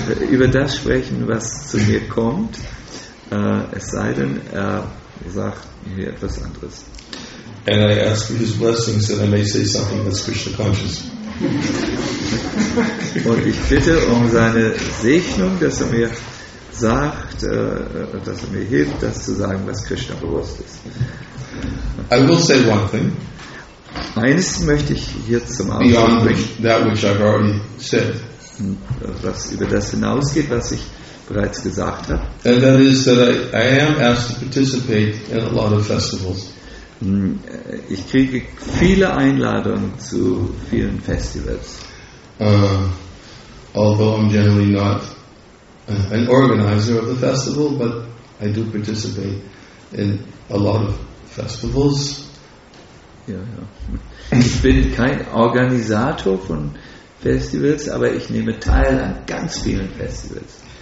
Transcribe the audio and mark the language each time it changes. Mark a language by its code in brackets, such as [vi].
[de] über das sprechen, was zu mir kommt, es sei denn, er sagt mir etwas anderes. [en] And I ask for his blessings that I may say something that's Krishna conscious. [de] Und ich bitte um seine Segnung, dass er mir sagt, dass er mir hilft, das zu sagen, was Krishna bewusst ist. [en] I will say one thing. [de] Eines möchte ich hier zum Abschluss bringen. [en] That which I've already said. [de] Was über das hinausgeht, was ich bereits gesagt habe. [en] And that is that I am asked to participate in a lot of festivals. [de] Ich kriege viele Einladungen zu vielen Festivals. [en] Although I'm generally not an organizer of the festival, but I do participate in a lot of festivals. [de] Ich bin kein Organisator von Festivals, aber ich nehme teil an ganz vielen Festivals.